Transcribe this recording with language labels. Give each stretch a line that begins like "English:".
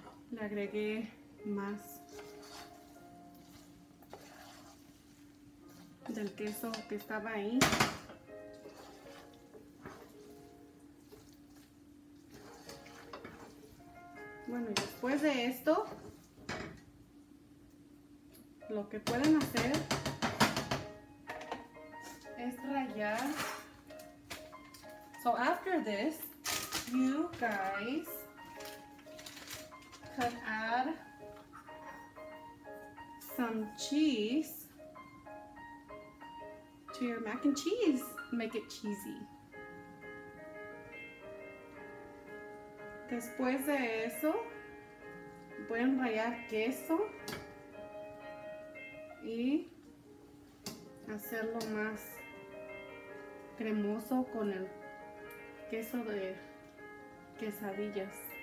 Spanish: Le agregué más del queso que estaba ahí. Bueno, y después de esto, lo que pueden hacer rayar.
English: So after this, you guys can add some cheese to your mac and cheese. Make it cheesy.
Spanish: Después de eso, pueden rallar queso y hacerlo más cremoso con el queso de quesadillas.